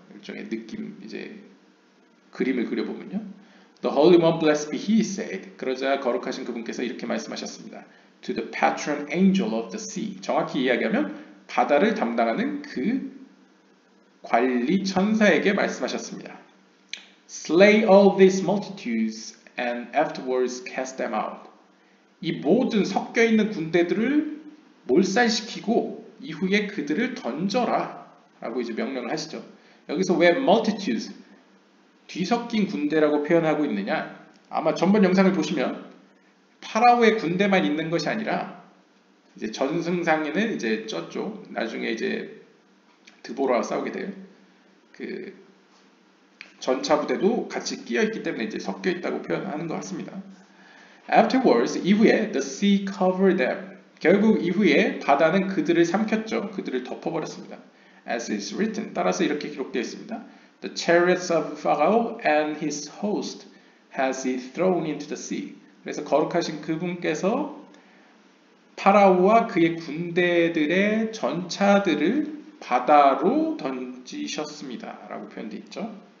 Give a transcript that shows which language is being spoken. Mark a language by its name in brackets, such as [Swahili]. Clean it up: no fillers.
[Korean] 일종의 느낌, 이제 그림을 그려보면요. [English] The Holy One, blessed be He, said. [Korean] 그러자 거룩하신 그분께서 이렇게 말씀하셨습니다. [English] To the patron angel of the sea. [Korean] 정확히 이야기하면 바다를 담당하는 그 관리 천사에게 말씀하셨습니다. [English] Slay all these multitudes and afterwards cast them out. [Korean] 이 모든 섞여 있는 군대들을 몰살시키고 이후에 그들을 던져라 라고 이제 명령을 하시죠. 여기서 왜 multitudes, 뒤섞인 군대라고 표현하고 있느냐? 아마 전번 영상을 보시면 파라오의 군대만 있는 것이 아니라 이제 전승상에는 이제 저쪽 나중에 이제 드보라와 싸우게 될 그 전차 부대도 같이 끼어 있기 때문에 이제 섞여 있다고 표현하는 것 같습니다. [English] Afterwards, [Korean] 이후에 [English] the sea covered them. [Korean] 결국 이후에 바다는 그들을 삼켰죠. 그들을 덮어버렸습니다. [English] As is written, [Korean] 따라서 이렇게 기록되어 있습니다. [English] The chariots of Pharaoh and his host has he thrown into the sea. [Korean] 그래서 거룩하신 그분께서 파라오와 그의 군대들의 전차들을 바다로 던지셨습니다. 라고 표현되어 있죠.